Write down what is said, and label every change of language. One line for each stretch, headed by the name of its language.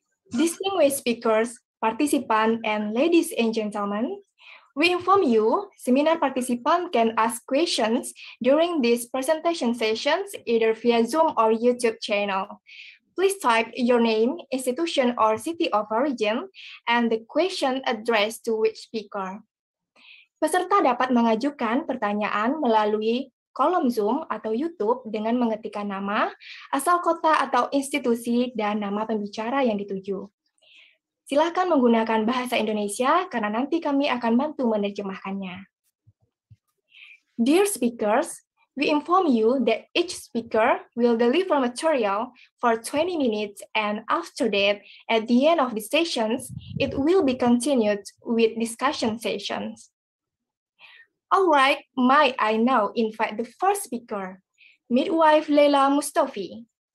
English: Distinguished speakers, participants, and ladies and gentlemen, we inform you, seminar participants can ask questions during this presentation sessions either via Zoom or YouTube channel. Please type your name, institution, or city of origin, and the question addressed to which speaker.
Indonesian: Peserta dapat mengajukan pertanyaan melalui kolom Zoom atau YouTube dengan mengetikkan nama, asal kota atau institusi, dan nama pembicara yang dituju. Silakan menggunakan bahasa Indonesia karena nanti kami akan bantu menerjemahkannya.
English: Dear speakers, we inform you that each speaker will deliver material for 20 minutes and after that, at the end of the sessions, it will be continued with discussion sessions. All right, might I now invite the first speaker, midwife Leila Mustofi.